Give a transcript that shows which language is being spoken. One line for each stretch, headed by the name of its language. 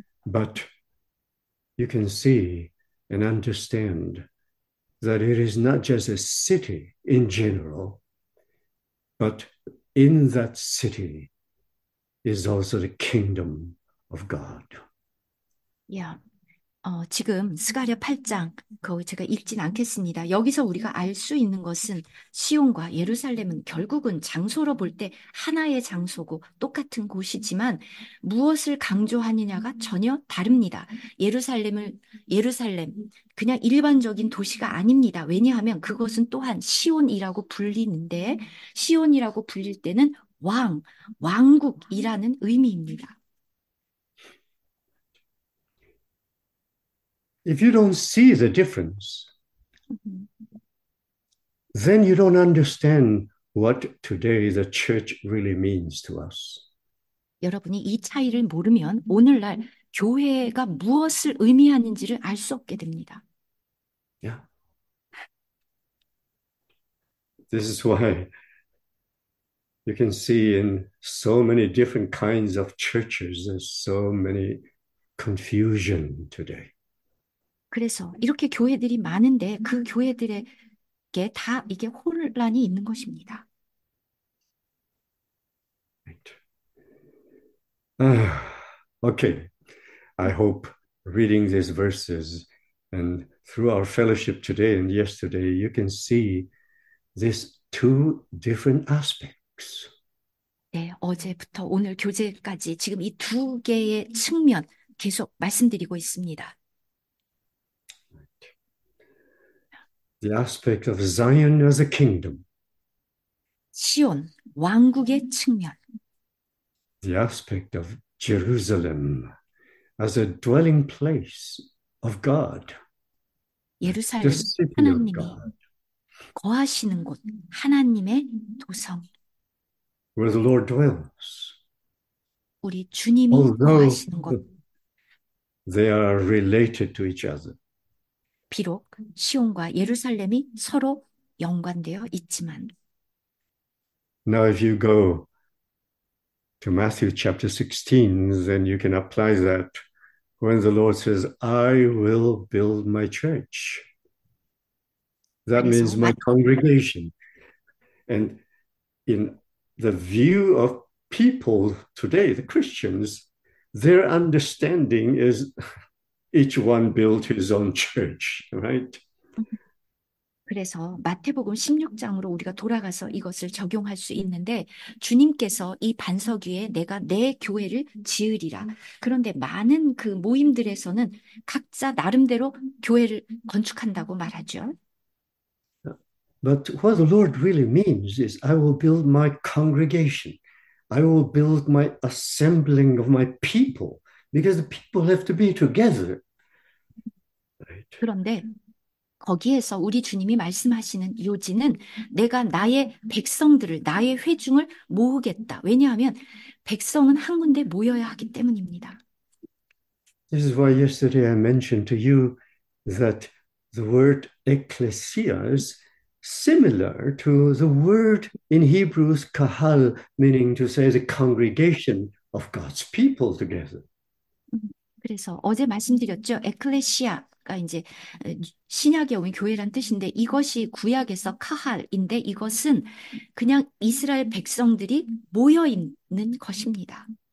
English: But you can see and understand that it is not just a city in general, but in that city is also the kingdom of God.
Korean: 지금 스가랴 8장 그 제가 읽진 않겠습니다. 여기서 우리가 알수 있는 것은 시온과 예루살렘은 결국은 장소로 볼때 하나의 장소고 똑같은 곳이지만 무엇을 강조하느냐가 전혀 다릅니다. 예루살렘 그냥 일반적인 도시가 아닙니다. 왜냐하면 그것은 또한 시온이라고 불리는데 시온이라고 불릴 때는 왕국이라는 의미입니다.
English: If you don't see the difference, then you don't understand what today the church really means to us.
Korean: 여러분이 이 차이를 모르면 오늘날 교회가 무엇을 의미하는지를 알수 없게 됩니다.
English: This is why you can see in so many different kinds of churches, there's so many confusion today.
Korean: 그래서 이렇게 교회들이 많은데 그 교회들에게 다 이게 혼란이 있는 것입니다.
English: Okay, I hope reading these verses and through our fellowship today and yesterday, you can see these two different aspects.
Korean: 네, 어제부터 오늘 교재까지 지금 이두 개의 측면 계속 말씀드리고 있습니다.
English: The aspect of Zion as a kingdom.
Korean: 시온, 왕국의 측면.
English: The aspect of Jerusalem as a dwelling place of God, the
Korean: 예루살렘,
English: city of God,
Korean: 하나님이 거하시는 곳, 하나님의 도성.
English: where the Lord dwells.
Korean: 우리 주님이
English: Although
Korean: 거하시는 곳.
English: they are related to each other.
Korean: 비록 시온과 예루살렘이 서로 연관되어 있지만,
English: Now, if you go to Matthew chapter 16, then you can apply that when the Lord says, I will build my church. That means my congregation. And in the view of people today, the Christians, their understanding is each one built his own church, right?
Korean: 그래서 마태복음 16장으로 우리가 돌아가서 이것을 적용할 수 있는데, 주님께서 이 반석 위에 내가 내 교회를 지으리라. 그런데 많은 그 모임들에서는 각자 나름대로 교회를 건축한다고 말하죠.
English: But what the Lord really means is, I will build my congregation. I will build my assembling of my people, because the people have to be together. Right.
Korean: 그런데 거기에서 우리 주님이 말씀하시는 요지는 내가 나의 백성들을, 나의 회중을 모으겠다. 왜냐하면 백성은 한 군데 모여야 하기 때문입니다.
English: This is why yesterday I mentioned to you that the word ecclesia is similar to the word in Hebrews, kahal, meaning to say the congregation of God's people together.
Korean: 그래서 어제 말씀드렸죠. 에클레시아. 이제 신약에 온 교회란 뜻인데 이것이 구약에서 카할인데 이것은 그냥 이스라엘 백성들이 모여 있는 것입니다.